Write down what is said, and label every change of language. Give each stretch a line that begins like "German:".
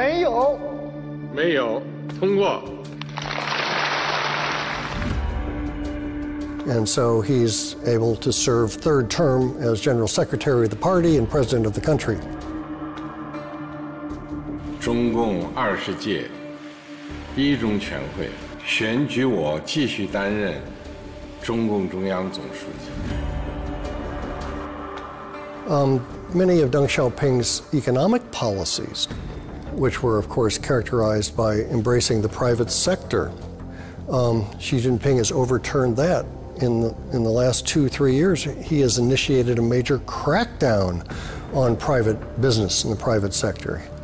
Chinese: 不同意的请举手。没有。没有。没有。通过。
English: And so he's able to serve third term as General Secretary of the Party and President of the country.
Chinese: 中共二十届一中全会选举我继续担任中共中央总书记。
English: Many of Deng Xiaoping's economic policies, which were of course characterized by embracing the private sector, Xi Jinping has overturned that. In the last 2-3 years, he has initiated a major crackdown on private business in the private sector.